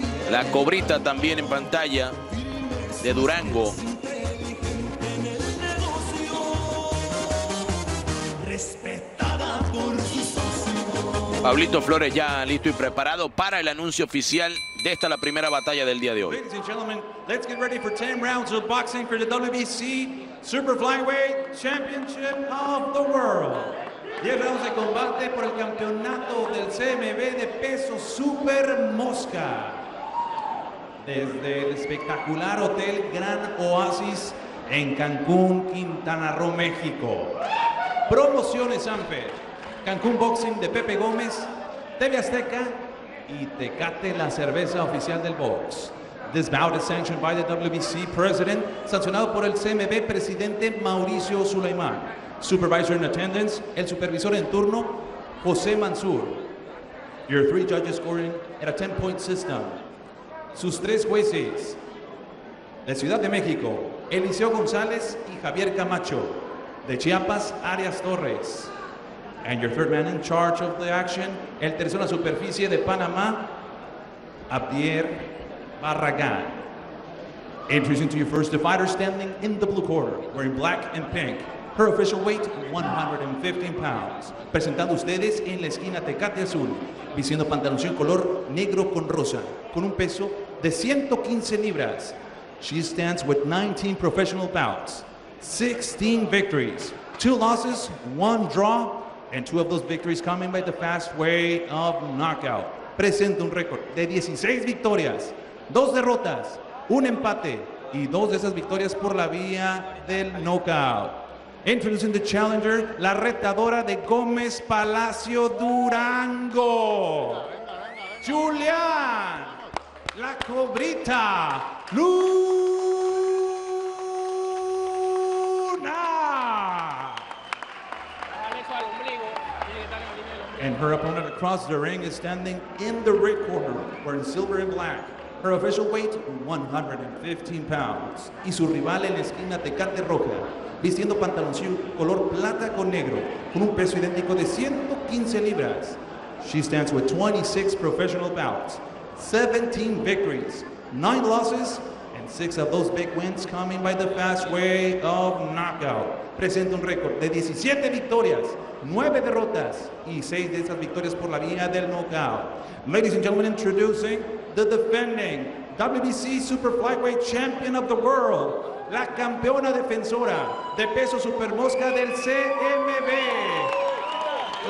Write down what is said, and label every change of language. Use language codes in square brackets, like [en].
[es] La cobrita también en pantalla, de Durango. Pablito Flores ya listo y preparado para el anuncio oficial de esta, la primera batalla del día de hoy. [en] Ladies and gentlemen, let's get ready for 10 rounds of boxing for the WBC Super Flyweight Championship of the World. [es] 10 rounds de combate por el campeonato del CMB de peso Super Mosca. Desde el espectacular Hotel Gran Oasis en Cancún, Quintana Roo, México. Promociones Amper, Cancún Boxing de Pepe Gómez, TV Azteca y Tecate, la cerveza oficial del box. [en] This bout is sancionado by the WBC President, [es] sancionado por el CMB Presidente [en] Mauricio Sulaimán. Supervisor in attendance, [es] el supervisor en turno, José Mansur. [en] Your three judges scoring at a 10-point system. [es] Sus tres jueces, de Ciudad de México, Eliseo González y Javier Camacho, de Chiapas, Arias Torres. [en] And your third man in charge of the action, [es] el tercero en la superficie de Panamá, [en] Abdier Barragán. Introducing to your first, the fighter standing in the blue corner, wearing black and pink. Her official weight, 115 pounds. [es] Presentando a ustedes en la esquina Tecate Azul, vistiendo pantalón color negro con rosa, con un peso de 115 libras. [en] She stands with 19 professional bouts, 16 victories, 2 losses, 1 draw, and 2 of those victories coming by the fast way of knockout. [es] Presenta un récord de 16 victorias, 2 derrotas, 1 empate, y 2 de esas victorias por la vía del knockout. [en] Introducing the challenger, [es] la retadora de Gómez Palacio Durango. Julián, la cobrita Luna. [en] And her opponent across the ring is standing in the red corner, wearing silver and black. Her official weight, 115 pounds. [es] Y su rival en la esquina Tecate Roja, vistiendo pantaloncillo color plata con negro, con un peso idéntico de 115 libras. [en] She stands with 26 professional bouts, 17 victories, 9 losses, and 6 of those big wins coming by the fast way of knockout. [es] Presenta un récord de 17 victorias, 9 derrotas, y 6 de esas victorias por la vía del knockout. [en] Ladies and gentlemen, introducing the defending WBC Super Flyweight Champion of the World, [es] la campeona defensora de peso Super Mosca del CMB,